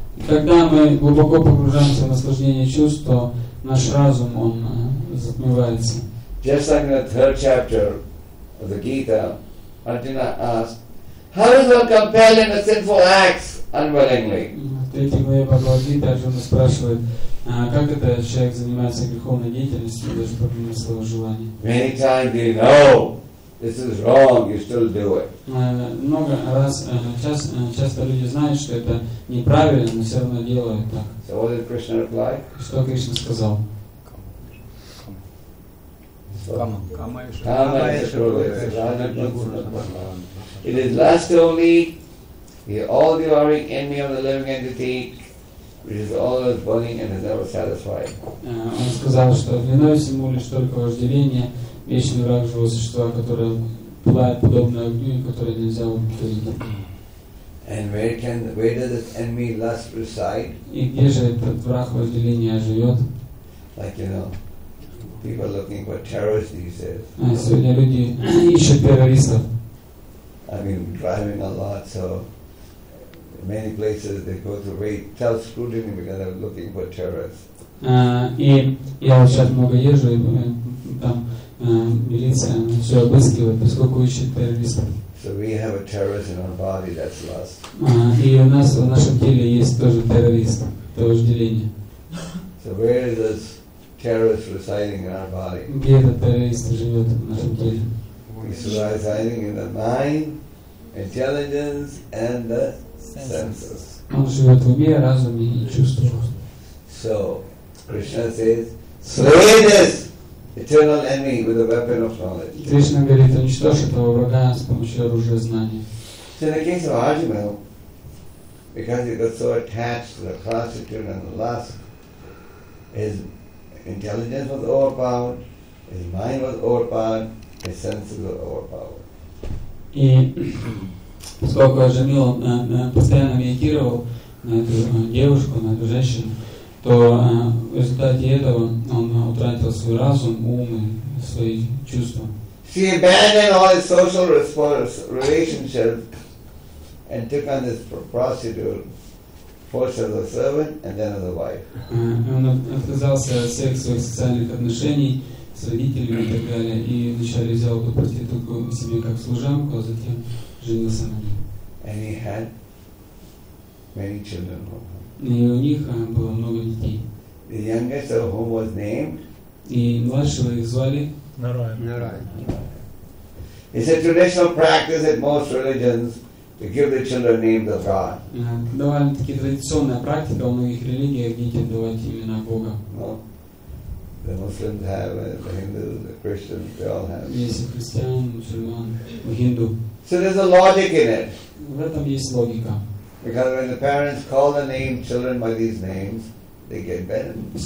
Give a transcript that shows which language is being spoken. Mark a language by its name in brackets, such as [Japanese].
[Russian] Когда мы глубоко погружаемся в наслаждение чувств, то наш разум он затмевается. [English] Just like in the third chapter of the Gita, Arjuna asked, "How is one compelled into sinful acts unwillingly?" [Russian] В третьей главе Бхагавад-гиты Арджуна спрашивает, как это человек занимается греховной деятельностью даже по мере своего желания. [English] Many times they know. This is wrong, you still do it. [Russian] Часто люди знают, что это неправильно, но все равно делают так. [English] So what did Krishna reply? [Russian] Что Кришна сказал? [Sanskrit] Kama Ishrodha. [English] It is lust only, the all-devouring enemy of the living entity, which is always burning and is never satisfied. [Russian] Он сказал, что виной всему лишь только вожделение, вечный враг живого существа, которое пылает подобно огню и которое нельзя удовлетворить. [English] And where does this enemy lust reside? [Russian] И где же этот враг вожделения живет? [English] Like, you know, people are looking for terrorists these days. [Russian] Сегодня люди ищут террористов. [English] I've been driving a lot, so many places they go through very tough scrutiny because they're looking for terrorists. [Russian] И я сейчас много езжу, и там милиция все обыскивает, поскольку ищет террористов. [English] So we have a terrorist in our body, that's lust. [Russian] И у нас в нашем теле есть тоже террорист, это вожделение. [English] So where is this terrorist residing in our body? [Russian] Где этот террорист живет в нашем теле? [English] He's residing in the mind, intelligence, and the senses. [Russian] Он живет в уме, разуме и чувствах. [English] So Krishna says, slay this eternal enemy with a weapon of knowledge. [Russian] Krishna говорит, уничтожь этого врага с помощью оружия знания. [English] So in the case of Ajmer, because he got so attached to the prostitute and the lust, his intelligence was overpowered, his mind was overpowered, his senses were overpowered. [Russian] И поскольку Ajmer постоянно медитировал на эту девушку, на эту женщину, то в результате этого он утратил свой разум, ум и свои чувства. [English] He abandoned all his social relationships and took on this prostitute, first as a servant and then as a wife. [Russian] Он отказался от всех своих социальных отношений с родителями и так далее, и вначале взял эту проститутку себе как служанку, а затем женился на ней. [English] And he had many children. [Russian] И у них было много детей. [English] The youngest of whom was named? [Russian] И младшего их звали? Нарайан. [English] It's a traditional practice in most religions to give the children names of God. [Russian] Довольно-таки традиционная практика в многих религиях детям давать имена Бога. [English] The Muslims have, the Hindus, the Christians, they all have. [Russian] Есть и христиан, мусульман, и хинду. [English] So there's a logic in it. [Russian] В этом есть логика. [English] Because when the parents call the name children by these names, they get benefits.